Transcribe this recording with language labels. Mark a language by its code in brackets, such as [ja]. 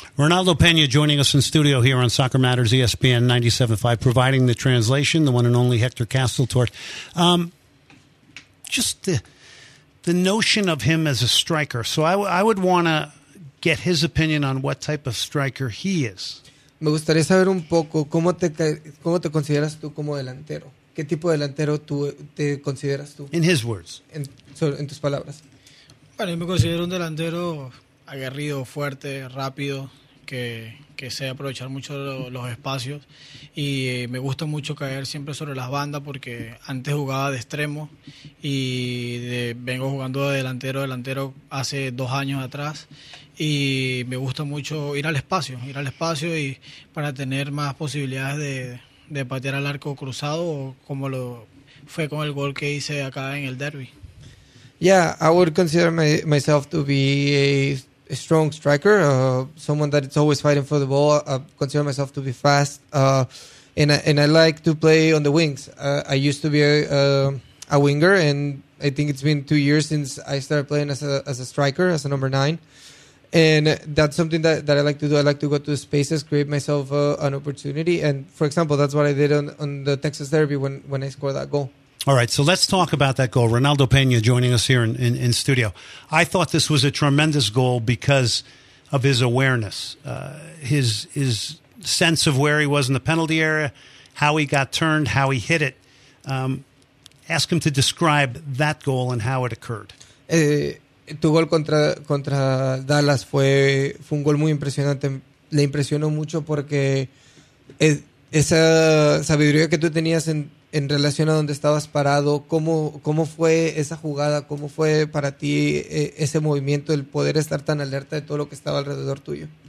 [en] Ronaldo Peña joining us in studio here on Soccer Matters ESPN 97.5, providing the translation, the one and only Hector Castelthorpe. Just the notion of him as a striker. So I would want to get his opinion on what type of striker he is. [es] Me gustaría saber un poco cómo te consideras tú como delantero. ¿Qué tipo de delantero tú te consideras tú? [en] In his words. [es] En tus palabras. Bueno, yo me considero un delantero aguerrido, fuerte, rápido, que sé aprovechar mucho los espacios, y me gusta mucho caer siempre sobre las bandas, porque antes jugaba de extremo y vengo jugando de delantero hace 2 años atrás, y me gusta mucho ir al espacio y para tener más posibilidades de patear al arco cruzado, como lo fue con el gol que hice acá en el derbi. [en] Yeah, I would consider myself to be a a strong striker, someone that is always fighting for the ball. I consider myself to be fast, and I like to play on the wings. I used to be a winger, and I think it's been 2 years since I started playing as a striker, as a number nine. And that's something that I like to do. I like to go to the spaces, create myself an opportunity. And, for example, that's what I did on the Texas Derby when I scored that goal. All right, so let's talk about that goal. Ronaldo Peña joining us here in studio. I thought this was a tremendous goal because of his awareness, his sense of where he was in the penalty area, how he got turned, how he hit it. Ask him to describe that goal and how it occurred. [es] Tu gol contra Dallas fue un gol muy impresionante. Le impresionó mucho porque esa sabiduría que tú tenías en relación a donde estabas parado, cómo fue esa jugada, cómo fue para ti ese movimiento, el poder estar tan alerta de todo lo que estaba alrededor tuyo.